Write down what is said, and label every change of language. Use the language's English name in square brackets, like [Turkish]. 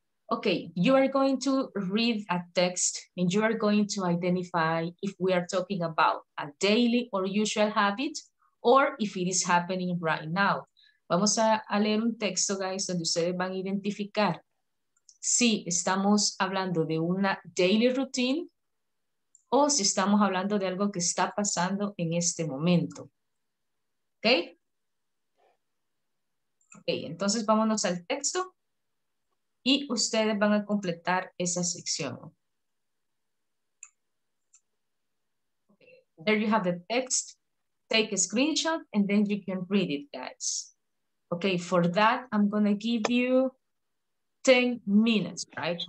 [English] Okay, you are going to read a text and you are going to identify if we are talking about a daily or usual habit or if it is happening right now. [Spanish] Vamos a leer un texto, guys, donde ustedes van a identificar si estamos hablando de una daily routine o si estamos hablando de algo que está pasando en este momento. ¿Okay? Okay, entonces vámonos al texto y ustedes van a completar esa sección. [English] Okay, there you have the text. Take a screenshot and then you can read it, guys. Okay, for that, I'm gonna give you 10 minutes, right?